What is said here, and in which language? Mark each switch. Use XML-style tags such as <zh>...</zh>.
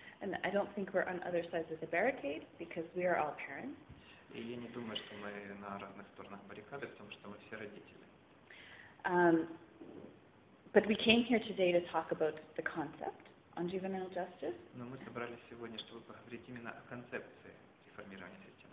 <en>And I don't think we're on other sides of the barricade, because we are all parents.</en> <ru>И я не думаю, что мы на разных сторонах баррикады, потому что мы все родители.</ru> <en>But we came here today to talk about the concept on juvenile justice.</en> <ru>Но мы собрались сегодня, чтобы поговорить именно о концепции реформирования системы.</ru>